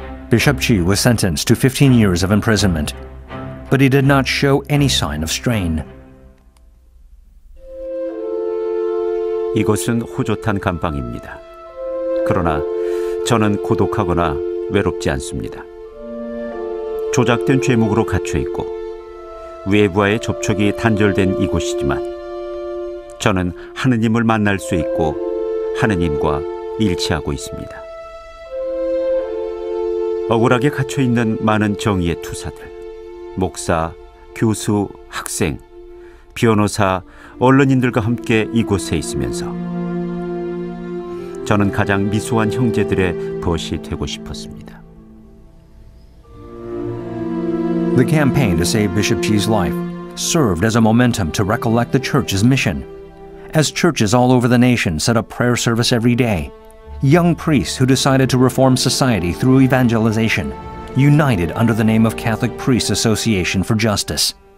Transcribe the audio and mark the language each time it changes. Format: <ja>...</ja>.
<en>Bishop Ji was sentenced to 15 years of imprisonment, but he did not show any sign of strain.</en> <ko>이곳은 호젓한 감방입니다. 그러나 저는 고독하거나 외롭지 않습니다. 조작된 죄목으로 갇혀있고 외부와의 접촉이 단절된 이곳이지만 저는 하느님을 만날 수 있고 하느님과 일치하고 있습니다. 억울하게 갇혀있는 많은 정의의 투사들, 목사, 교수, 학생, 변호사, 언론인들과 함께 이곳에 있으면서 저는 가장 미소한 형제들의 벗이 되고 싶었습니다.</ko> <en>The campaign to save Bishop Ji's life served as a momentum to recollect the church's mission. As churches all over the nation set up prayer service every day, young priests who decided to reform society through evangelization united under the name of Catholic Priests Association for Justice.</en>